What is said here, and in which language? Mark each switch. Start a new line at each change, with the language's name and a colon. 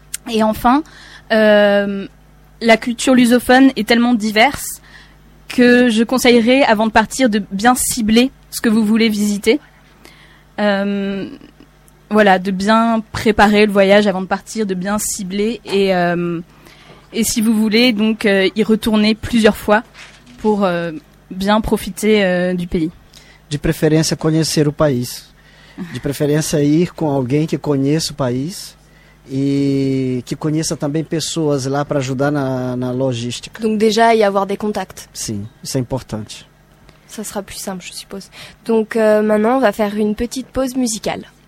French: Et enfin, la culture lusophone est tellement diverse que je conseillerais, avant de partir, de bien cibler ce que vous voulez visiter. Voilà, de bien préparer le voyage avant de partir, de bien cibler. Et si vous voulez, donc, y retourner plusieurs fois pour bien profiter du pays.
Portuguese: De preferência, conhecer o país. De preferência, ir com alguém que conheça o país e que conheça também pessoas lá para ajudar na logística.
French: Donc déjà y avoir des contacts.
Portuguese: Sim, isso é importante.
French: Ça sera plus simple, je suppose. Donc maintenant, on va faire une petite pause musicale.